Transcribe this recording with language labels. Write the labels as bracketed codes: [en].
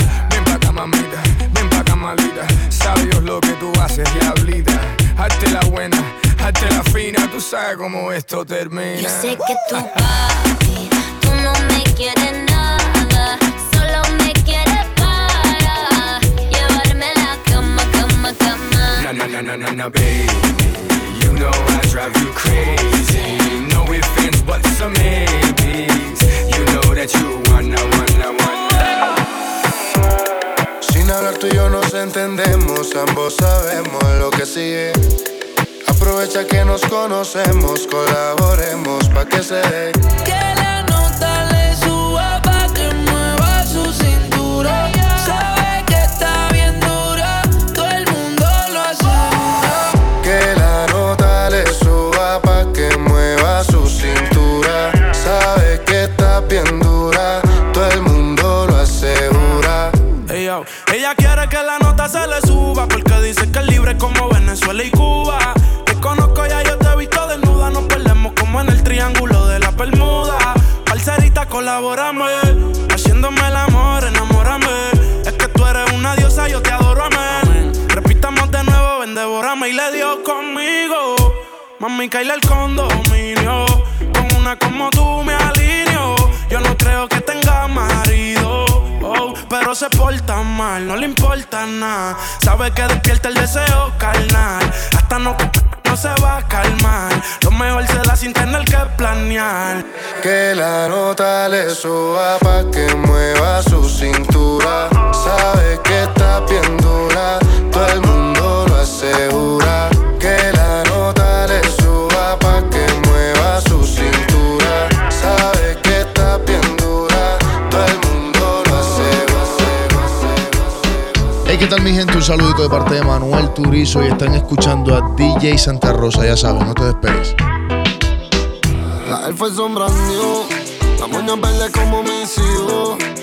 [es] Ven pa' acá mamita, ven pa' acá malita. Sabios lo que tú haces, diablita. Hazte la buena, hazte la fina. Tú sabes cómo esto termina. Yo sé que tú papi, tú no me quieres nada. Solo me quieres para llevarme la cama, cama, cama. Na, na, na, na, na, na, babe. [en] You know I drive you crazy. No ifs, ands, buts, or maybes. You know know that you wanna, wanna, wanna. [es] Sin hablar tú y yo nos entendemos, ambos sabemos lo que sigue. Aprovecha que nos conocemos, colaboremos pa' que se dé. Que la nota le suba pa' que mueva su cintura. Sabe que está bien dura, todo el mundo lo asegura. Que la nota le suba pa' que mueva su cintura. Sabe que está bien dura, todo el mundo lo asegura. Hey, yo. Ella quiere que la nota se le suba, porque dice que es libre como Venezuela y Cuba. Conozco ya, yo te he visto desnuda. Nos perdemos como en el triángulo de la Bermuda. Parcerita, colaborame, haciéndome el amor, enamórame. Es que tú eres una diosa, yo te adoro, amén. Repitamos de nuevo, ven, devórame. Y le dio conmigo, mami, caíle al condominio. Con una como tú me alineo. Yo no creo que tenga marido, oh, pero se porta mal, no le importa nada. Sabe que despierta el deseo carnal. Hasta no... se va a calmar. Lo mejor será sin tener que planear. Que la nota le suba pa' que mueva su cintura. Sabe que está bien dura, todo el mundo lo asegura. Que la nota le suba pa' que mueva su cintura. Sabe que está bien dura, todo el mundo lo asegura. Hey, ¿qué tal, mi gente? Un saludito de parte de Manuel Turizo y están escuchando a DJ Santa Rosa, ya sabes, no te despegues. La Elfa es sombra mío, la moña verde como mis hijos.